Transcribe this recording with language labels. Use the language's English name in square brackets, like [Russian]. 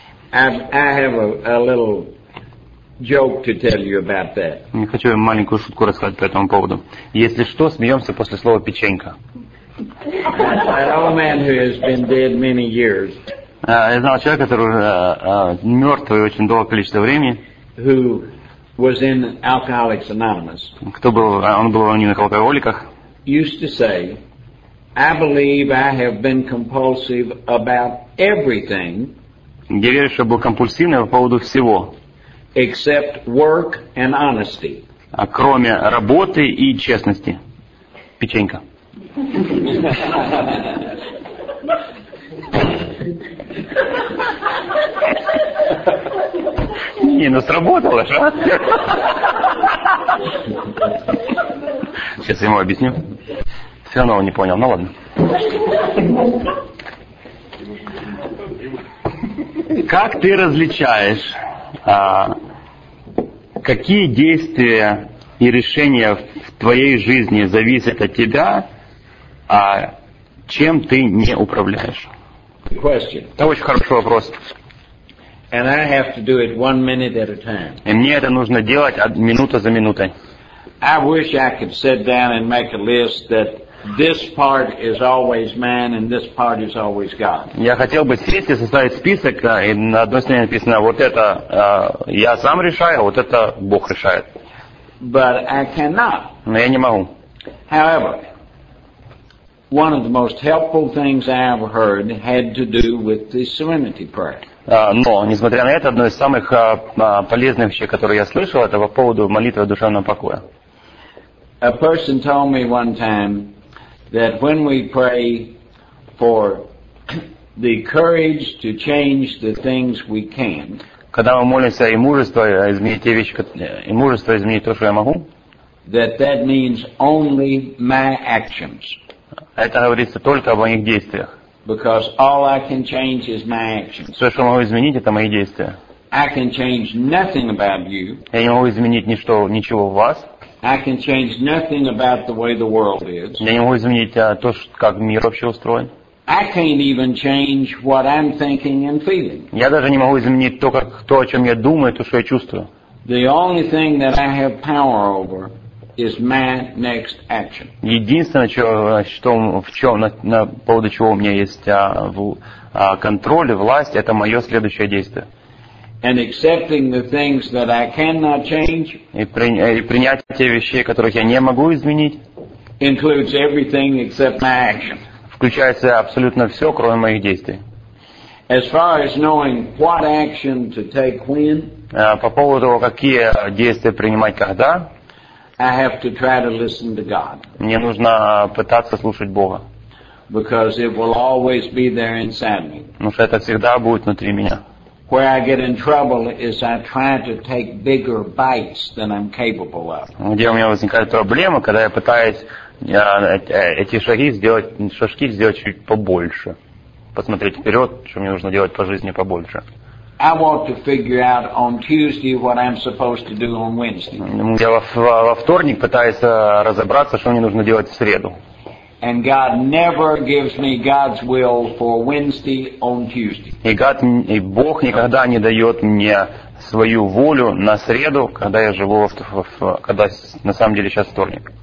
[English] I have a little joke to tell you about that. [Russian] Я хочу вам маленькую шутку рассказать по этому поводу. Если что, смеемся после слова печенька. [English] An old man who has been dead many years. [Russian] Я знал человека, который мертвый очень долгое количество времени. [English] Who was in Alcoholics Anonymous. [Russian] Он был в анонимных алкоголиках. [English] Used to say, I believe I have been compulsive about everything. [Russian] Я верю, что был компульсивный по поводу всего. [English] Except work and honesty. [Russian] А кроме работы и честности. Печенька. Не, ну сработало же, а? Сейчас я ему объясню. Все равно он не понял, ну ладно. Как ты различаешь, какие действия и решения в твоей жизни зависят от тебя, а чем ты не управляешь? Это очень хороший вопрос. [English] And I have to do it 1 minute at a time. [Russian] И мне это нужно делать минута за минутой. [English] I wish I could sit down and make a list that this part is always man and this part is always God. [Russian] Я хотел бы сесть и составить список, и на одной стороне написано вот это я сам решаю, а вот это Бог решает. [English] But I cannot. [Russian] Но я не могу. [English] However. One of the most helpful things I ever heard had to do with the Serenity Prayer. [Russian] Но, несмотря на это, одно из самых полезных вещей, которые я слышал, это по поводу молитвы душевного покоя. [English] A person told me one time that when we pray for the courage to change the things we can. [Russian] Когда мы молимся и мужество изменить те вещи, и мужество изменить то, что я могу. [English] That means only my actions. [Russian] Это говорится только о моих действиях. [English] Because all I can change is my actions. [Russian] Все, что могу изменить, это мои действия. [English] I can change nothing about you. [Russian] Я не могу изменить ничего в вас. [English] I can change nothing about the way the world is. [Russian] Я не могу изменить то, как мир вообще устроен. [English] I can't even change what I'm thinking and feeling. [Russian] Я даже не могу изменить то, о чем я думаю, то, что я чувствую. [English] The only thing that I have power over. Is my next action. [Russian] Единственное, на поводу чего у меня есть контроль и власть, это мое следующее действие. [English] and accepting the things that I cannot change, [Russian] принятие тех вещей, которых я не могу изменить, [English] includes everything except my action. [Russian] Включается абсолютно все, кроме моих действий. [English] As far as knowing what action to take when, [Russian] по поводу того, какие действия принимать когда, [English] I have to try to listen to God. [Russian] Мне нужно пытаться слушать Бога. [English] Because it will always be there inside me. [Russian] Потому что это всегда будет внутри меня. [English] Where I get in trouble is I try to take bigger bites than I'm capable of. [Russian] Где у меня возникает проблема, когда я пытаюсь эти шажки сделать чуть побольше. Посмотреть вперед, что мне нужно делать по жизни побольше. [English] I want to figure out on Tuesday what I'm supposed to do on Wednesday. [Russian] Я во вторник пытаюсь разобраться, что мне нужно делать в среду. [English] And God never gives me God's will for Wednesday on Tuesday. [Russian] И Бог никогда не дает мне свою волю на среду, когда я живу когда на самом деле сейчас вторник.